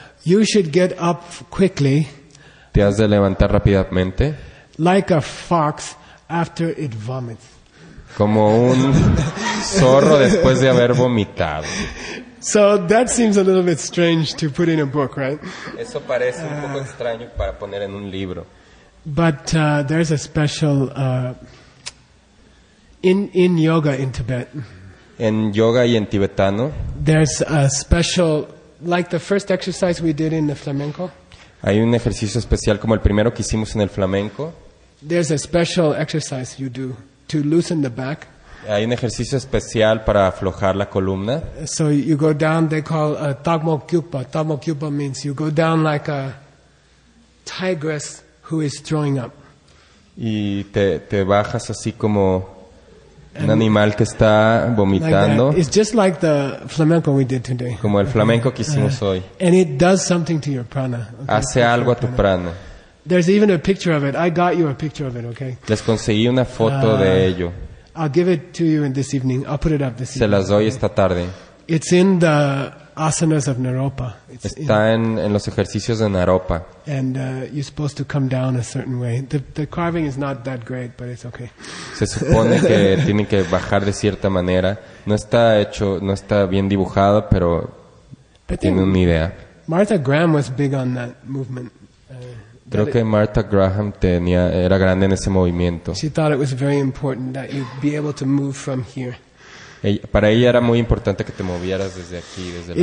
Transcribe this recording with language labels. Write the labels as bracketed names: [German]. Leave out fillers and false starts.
[English] You should get up quickly. [Spanish] Te has de levantar rápidamente. [English] Like a fox after it vomits. [Spanish] Como un zorro después de haber vomitado. [English] So that seems a little bit strange to put in a book, right? [Spanish] Eso parece un poco extraño para poner en un libro. [English] But there's a special in yoga in Tibet. [Spanish] En yoga y en tibetano. [English] There's a special, like the first exercise we did in the flamenco. [Spanish] Hay un ejercicio especial como el primero que hicimos en el flamenco. [English] There's a special exercise you do to loosen the back. [Spanish] Hay un ejercicio especial para aflojar la columna. [English] So you go down, they call Tagmo Kyupa. Tagmo Kyupa means you go down like a tigress who is throwing up. [Spanish] Y te bajas así como un animal que está vomitando. [English] Like it's just like the flamenco we did today. [Spanish] Como el flamenco que hicimos hoy. [English] And it does something to your prana. Okay? [Spanish] Hace algo a tu prana. [English] There's even a picture of it. I got you a picture of it, okay? [Spanish] Les conseguí una foto de ello. [English] I'll give it to you in this evening. I'll put it up this evening. [Spanish] Se las doy esta tarde. [English] It's in the asanas of Naropa. [Spanish] Está en los ejercicios de Naropa. [English] And you're supposed to come down a certain way. The carving is not that great, but it's okay. [Spanish] Se supone que tienen que bajar de cierta manera. No está hecho, no está bien dibujado, pero tiene una idea. [English] Martha Graham was big on that movement. [Spanish] Creo que Martha Graham era grande en ese movimiento. [English] She thought it was very important that you be able to move from here. [Spanish] Para ella era muy importante que te movieras desde aquí, desde el abdomen.